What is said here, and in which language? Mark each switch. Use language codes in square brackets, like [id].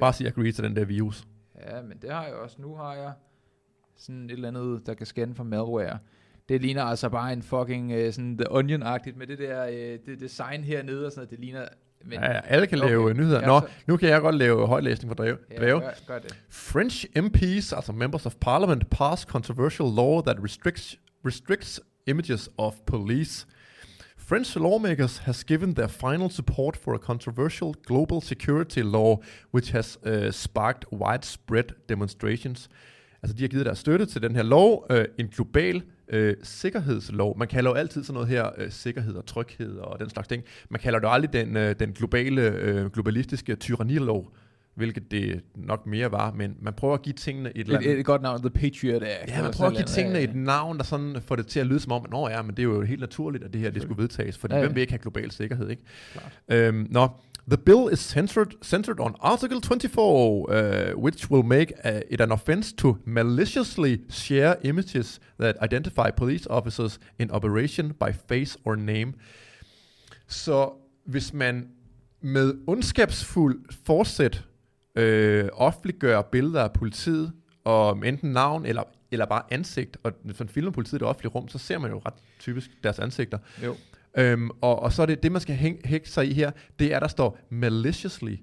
[da] Bare sig agree til den der virus. Ja, men det har jeg også. Nu har jeg sådan et eller andet, der kan scanne for malware. Det ligner altså bare en fucking sådan The Onion-agtigt med det der det design hernede og sådan noget. Det ligner. Men, ja, alle kan lave nyheder. Nå, nu kan jeg godt lave højlæsning for dreve. Gør det. [en] French MPs, altså members of parliament, pass controversial law that restricts images of police. French lawmakers has given their final support for a controversial global security law, which has sparked widespread demonstrations. [da] Altså, de har givet deres støtte til den her lov, en global sikkerhedslov. Man kalder jo altid sådan noget her sikkerhed og tryghed og den slags ting. Man kalder det aldrig den globale, globalistiske tyrannilov, hvilket det nok mere var, men man prøver at give tingene et godt navn, The Patriot Act. Ja, man prøver at give tingene et navn, der sådan får det til at lyde som om, nå ja, men det er jo helt naturligt, at det her det skulle vedtages, for hvem vil ikke have global sikkerhed, ikke? Nå, [en] The bill is centered on Article 24, which will make it an offense to maliciously share images that identify police officers in operation by face or name. [da] Så hvis man med ondskabsfuld forsæt offentliggør billeder af politiet, og enten navn eller bare ansigt, og hvis man filmer politiet i det offentlige rum, så ser man jo ret typisk deres ansigter. Jo. Og så er det, man skal hække sig i her, det er, der står maliciously.